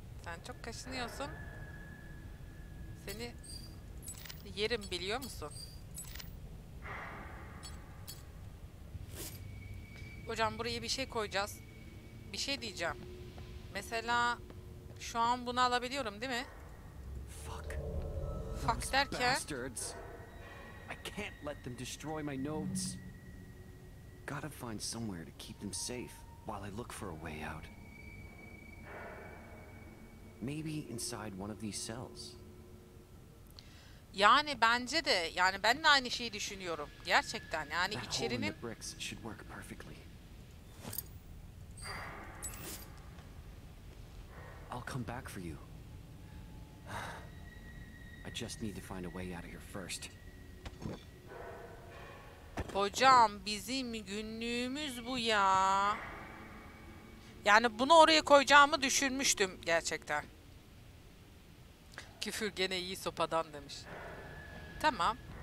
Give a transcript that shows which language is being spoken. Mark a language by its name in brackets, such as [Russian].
[Turkish] Sen çok kaşınıyorsun. Seni yerim, biliyor musun? Hocam buraya bir şey koyacağız. Bir şey diyeceğim. Mesela şu an bunu alabiliyorum, değil mi? [English] Fuck. [Turkish] Fuck derken. [English] Bastards. I can't let them destroy my notes. Gotta find somewhere to keep them safe while I look for a way out. Maybe inside one of these cells. [Turkish] Yani bence de, yani ben de aynı şeyi düşünüyorum. Gerçekten yani içerinin [English] bricks should work perfectly. I'll come back for you. I just need to find a way out of here first. [Turkish] Hocam bizim günlüğümüz bu ya. Yani bunu oraya koyacağımı düşünmüştüm gerçekten. Küfür gene iyi sopadan demiş. Tamam.